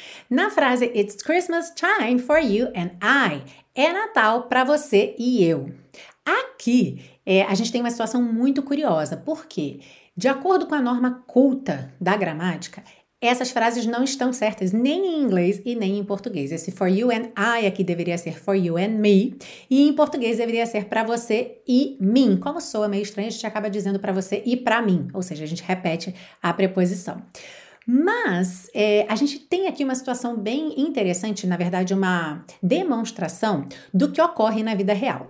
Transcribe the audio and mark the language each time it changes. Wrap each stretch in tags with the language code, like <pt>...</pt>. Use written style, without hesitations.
<pt>Na frase,</pt> <en>it's Christmas time for you and I,</en> <pt>é Natal para você e eu. Aqui, a gente tem uma situação muito curiosa, porque de acordo com a norma culta da gramática, essas frases não estão certas nem em inglês e nem em português. Esse</pt> <en>for you and I</en> <pt>aqui deveria ser</pt> <en>for you and me.</en> <pt>E em português deveria ser para você e mim. Como soa meio estranho, a gente acaba dizendo para você e para mim. Ou seja, a gente repete a preposição. Mas a gente tem aqui uma situação bem interessante, na verdade uma demonstração do que ocorre na vida real.</pt>